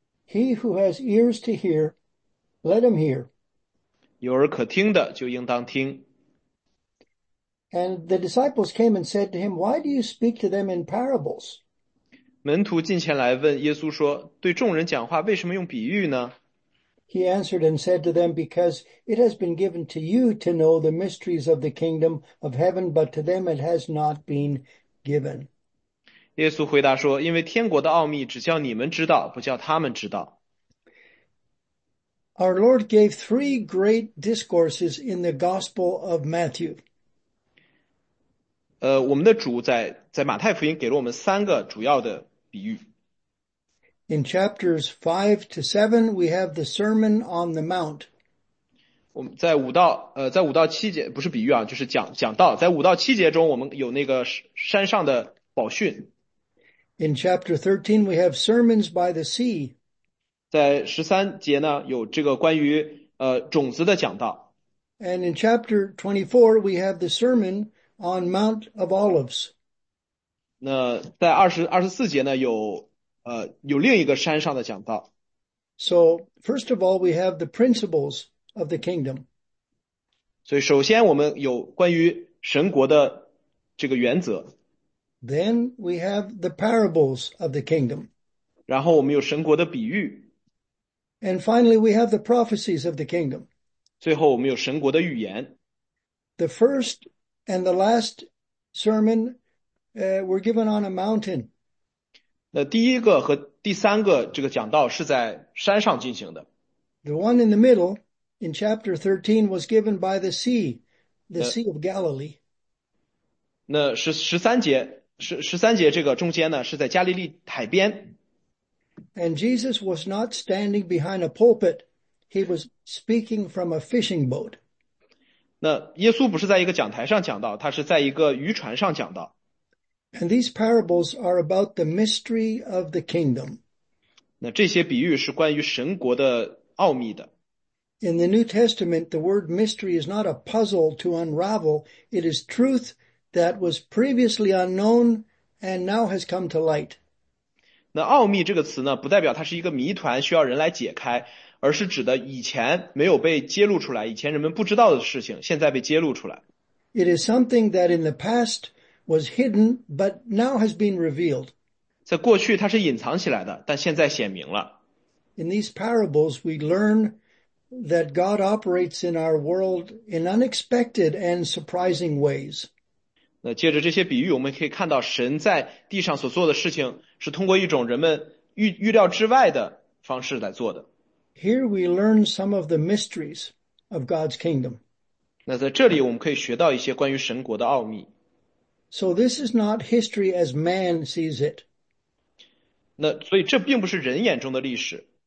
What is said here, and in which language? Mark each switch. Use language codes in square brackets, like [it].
[en] He who has ears to hear, let him hear. [zh] 有耳可听的，就应当听。 [en] And the disciples came and said to him, Why do you speak to them in parables? [zh] 门徒近前来问耶稣说，对众人讲话为什么用比喻呢？ [en] He answered and said to them, Because it has been given to you to know the mysteries of the kingdom of heaven, but to them it has not been given. [zh] 耶稣回答说，因为天国的奥秘只叫你们知道，不叫他们知道。 [en] Our Lord gave three great discourses in the Gospel of Matthew. [zh] 我们的主在马太福音给了我们三个主要的比喻。 [en] In chapters 5 to 7, we have the Sermon on the Mount. [zh] 我们在五到七节，不是比喻啊，就是讲道。在五到七节中，我们有那个山上的宝训。 [en] In chapter 13, we have sermons by the sea. [zh] 在十三节呢，有这个关于种子的讲道。 [en] And in chapter 24, we have the Sermon on Mount of Olives. [zh] 那在24节呢，有另一个山上的讲道。 [en] So, first of all, we have the principles of the kingdom. [zh] 所以首先我们有关于神国的这个原则。 [en] Then we have the parables of the kingdom. [zh] 然后我们有神国的比喻。 [en] And finally, we have the prophecies of the kingdom. [zh] 最后我们有神国的预言。 [en] The first and the last sermon were given on a mountain. [zh] 那第一个和第三个这个讲道是在山上进行的。 [en] The one in the middle in chapter 13 was given by the sea, the Sea of Galilee. [zh] 那十三节这个中间呢是在加利利海边。 [en] And Jesus was not standing behind a pulpit. He was speaking from a fishing boat. [zh] 那耶稣不是在一个讲台上讲道，他是在一个渔船上讲道。 [en] And these parables are about the mystery of the kingdom. [zh] 那这些比喻是关于神国的奥秘的。 [en] In the New Testament, the word mystery is not a puzzle to unravel. It is truth that was previously unknown and now has come to light. [zh] 那奥秘这个词呢，不代表它是一个谜团需要人来解开，而是指的以前没有被揭露出来，以前人们不知道的事情，现在被揭露出来。 [en] It is something that in the past was hidden, but now has been revealed. [zh] 在过去它是隐藏起来的，但现在显明了。 [en] In these parables, we learn that God operates in our world in unexpected and surprising ways. [zh] 那借着这些比喻，我们可以看到神在地上所做的事情是通过一种人们预料之外的方式来做的。 [en] Here we learn some of the mysteries of God's kingdom. [zh] 那在这里，我们可以学到一些关于神国的奥秘。 [en] So this is not history as man sees it. [zh] 那所以这并不是人眼中的历史。